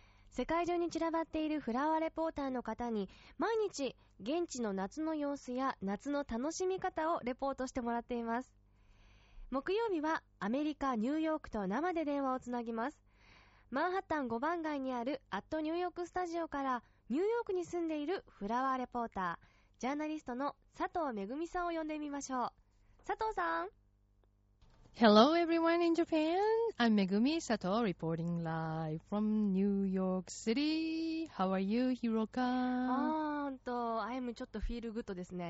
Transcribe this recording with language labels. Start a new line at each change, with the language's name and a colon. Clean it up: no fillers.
Japanese: 世界中に散らばっているフラワーレポーターの方に毎日現地の夏の様子や夏の楽しみ方をレポートしてもらっています。木曜日はアメリカニューヨークと生で電話をつなぎます。マンハッタン5番街にあるアットニューヨークスタジオからニューヨークに住んでいるフラワーレポータージャーナリストの佐藤めぐみさんを呼んでみましょう。佐藤さん。
English: Hello everyone in Japan. I'm Megumi Sato reporting live from New York City. How are you, Hiroka? I'm
Japanese: ちょっと
English: feel good
Japanese: ですね。